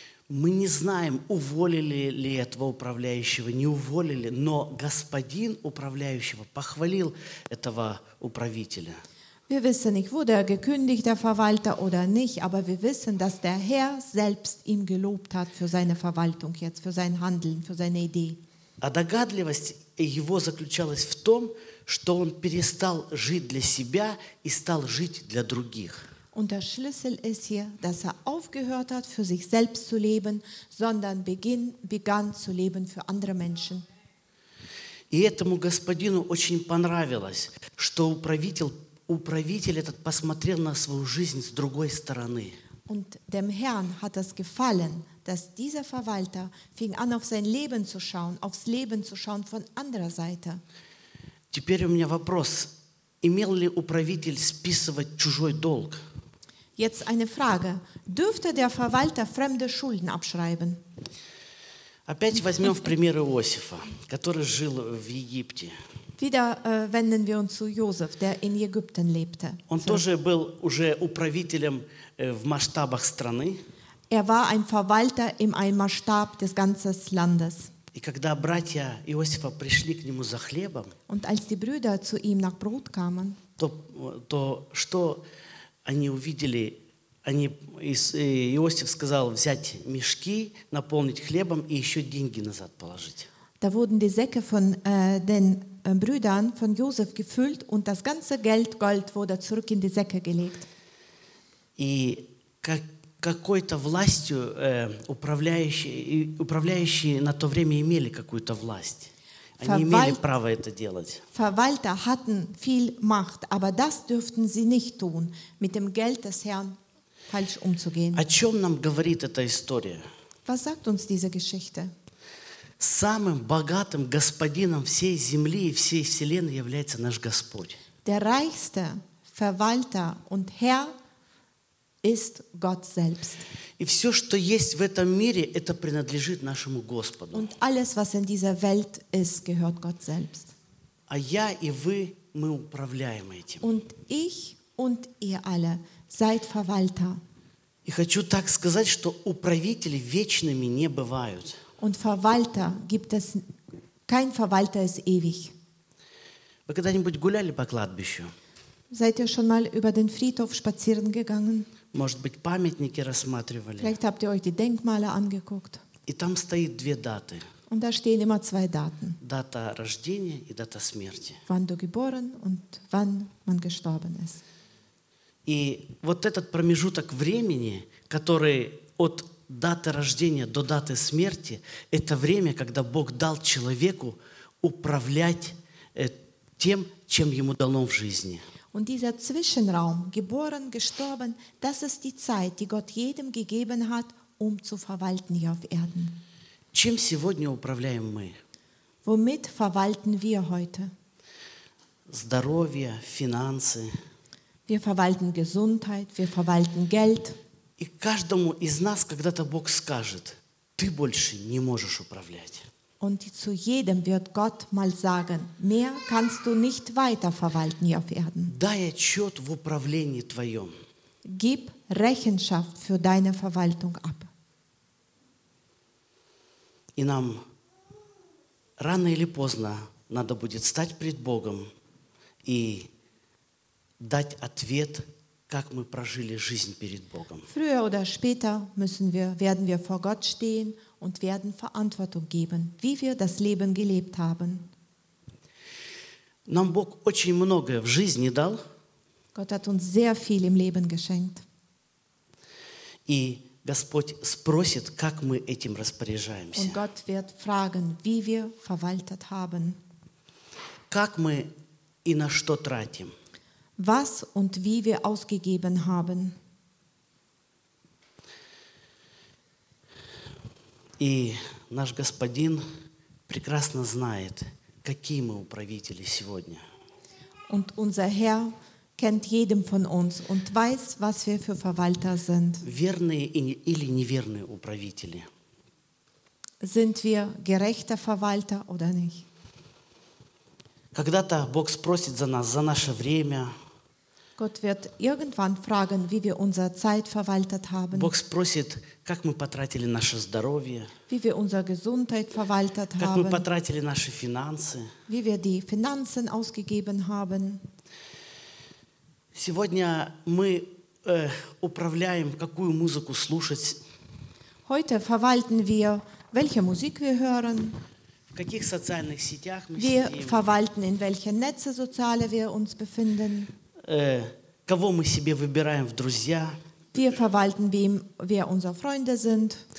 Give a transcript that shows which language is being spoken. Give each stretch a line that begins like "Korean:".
Russian: Мы не знаем, уволили ли этого управляющего, не уволили, но господин управляющего похвалил этого управителя.
German: Wir wissen nicht, wurde er gekündigt, der Verwalter, oder nicht, aber wir wissen, dass der Herr selbst ihm gelobt hat für seine Verwaltung jetzt, für sein Handeln, für seine Idee.
Russian: А догадливость его заключалась в том, что он перестал жить для себя и стал жить для других.
German: Und der Schlüssel ist hier, dass er aufgehört hat, für sich selbst zu leben, sondern begann zu leben für andere Menschen.
Russian: И этому господину очень понравилось, что управитель этот посмотрел на свою жизнь с другой стороны.
German: Und dem Herrn hat es gefallen, dass dieser Verwalter fing an, auf sein Leben zu schauen, aufs Leben zu schauen von anderer Seite.
Russian: Теперь у меня вопрос: имел ли управитель списывать чужой долг?
German: Jetzt eine Frage. Dürfte der Verwalter fremde Schulden abschreiben?
Russian: Опять возьмем в пример Иосифа, который жил в Египте.
German: Wieder wenden wir uns zu Josef, der in Ägypten lebte.
Russian: Он тоже был уже управителем в масштабах страны.
German: Er war ein Verwalter im Maßstab des ganzen Landes.
Russian: И когда братья Иосифа пришли к нему за хлебом,
German: und als die Brüder zu ihm nach Brot kamen,
Russian: то что они увидели, Иосиф сказал взять мешки, наполнить хлебом и еще деньги назад положить.
German: Da wurden die Säcke von den Brüdern von Josef gefüllt und das ganze Geld, Gold, wurde zurück in die Säcke gelegt.
Russian: И какой-то властью управляющие на то время имели какую-то власть. Они имели право это делать.
German: Verwalter hatten viel Macht, aber das dürften sie nicht tun, mit dem Geld des Herrn falsch umzugehen.
Russian: О чем нам говорит эта история?
German: Was sagt uns diese Geschichte?
Russian: Самым богатым господином всей земли и всей вселенной является наш Господь.
German: Der reichste Verwalter und Herr ist Gott selbst.
Russian: И все, что есть в этом мире, это принадлежит нашему Господу.
German: Und alles, was in dieser Welt ist, gehört Gott selbst.
Russian: А я и вы, мы управляем этим.
German: Und ich und ihr alle seid Verwalter.
Russian: И хочу так сказать, что управители вечными не бывают.
German: Und Verwalter gibt es, kein Verwalter ist ewig.
Russian: Вы когда-нибудь гуляли по кладбищу?
German: Seid ihr schon mal über den Friedhof spazieren gegangen?
Russian: Может быть, памятники рассматривали?
German: Vielleicht habt ihr euch die Denkmale angeguckt.
Russian: И там стоит две даты.
German: Und da stehen immer zwei Daten.
Russian: Дата рождения и дата смерти.
German: Wann du geboren und wann man gestorben ist.
Russian: И вот этот промежуток времени, который от даты рождения до даты смерти, это время, когда Бог дал человеку управлять тем, чем ему дано в жизни.
German: Und dieser Zwischenraum, geboren, gestorben, das ist die Zeit, die Gott jedem gegeben hat, um zu verwalten hier auf Erden.
Russian: Чем сегодня управляем мы?
German: Womit verwalten wir heute?
Russian: Здоровье, финансы.
German: Wir verwalten Gesundheit, wir verwalten Geld.
Russian: И каждому из нас когда-то Бог скажет: ты больше не можешь управлять.
German: Und zu jedem wird Gott mal sagen: mehr kannst du nicht weiter verwalten hier auf Erden.
Russian: Дай отчет в управлении твоем.
German: gib Rechenschaft für deine Verwaltung ab.
Russian: И нам рано или поздно надо будет стать пред Богом и дать ответ, как мы прожили жизнь перед Богом.
German: Früher oder später werden wir vor Gott stehen und werden Verantwortung geben, wie wir das Leben gelebt haben.
Russian: Нам Бог очень многое в жизни дал.
German: Gott hat uns sehr viel im Leben geschenkt.
Russian: И Господь спросит, как мы этим распоряжаемся.
German: Und Gott wird fragen, wie wir verwaltet haben.
Russian: Как мы и на что тратим.
German: Was und wie wir ausgegeben haben.
Russian: И наш Господин прекрасно знает, какие мы управители сегодня.
German: Und unser Herr kennt jedem von uns und weiß, was wir für Verwalter sind.
Russian: Верные или неверные управители.
German: Sind wir gerechte Verwalter oder nicht?
Russian: Когда-то Бог спросит за нас, за наше время.
German: Gott wird irgendwann fragen, wie wir unsere Zeit verwaltet haben.
Russian: Бог спросит, как мы потратили наше здоровье.
German: Wie wir unsere Gesundheit verwaltet haben.
Russian: Как мы потратили наши финансы.
German: Wie wir die Finanzen ausgegeben haben.
Russian: Сегодня мы управляем, какую музыку слушать.
German: Heute verwalten wir, welche Musik wir hören.
Russian: В каких социальных сетях мы
German: wir
Russian: сидим.
German: Wir verwalten, in welchen Netze soziale wir uns befinden.
Russian: Кого мы себе выбираем в друзья.
German: Wir verwalten, wem wir unsere Freunde sind.